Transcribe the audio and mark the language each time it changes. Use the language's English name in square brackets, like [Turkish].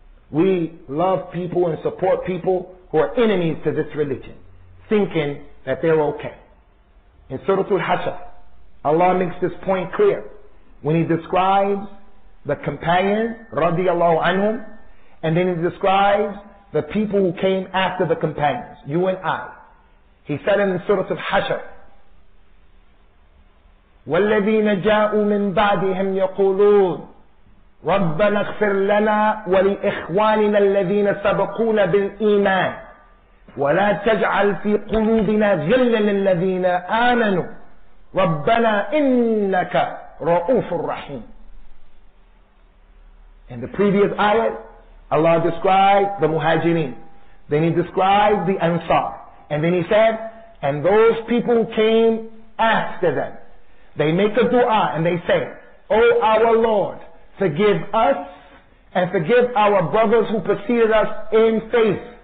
[English] We love people and support people who are enemies to this religion, thinking that they're okay. In Surah Al-Hashr, Allah makes this point clear when He describes the companions, radiallahu anhum, and then He describes the people who came after the companions, you and I. He said in Surah Al-Hashr, [Arabic] وَالَّذِينَ جَاءُوا مِنْ بَعْدِهِمْ يَقُولُونَ رَبَّنَا اغْفِرْ لَنَا وَلِإِخْوَانِنَا الَّذِينَ سَبَقُونَا بِالْإِيمَانِ وَلَا تَجْعَلْ فِي قُلُوبِنَا غِلًّا لِلَّذِينَ آمَنُوا رَبَّنَا إِنَّكَ رَؤُوفٌ رَحِيمٌ. [English] In the previous ayat, Allah described the muhajirin. Then He described the ansar. And then He said, and those people came after them. They make a dua and they say, O our Lord, forgive us and forgive our brothers who preceded us in faith.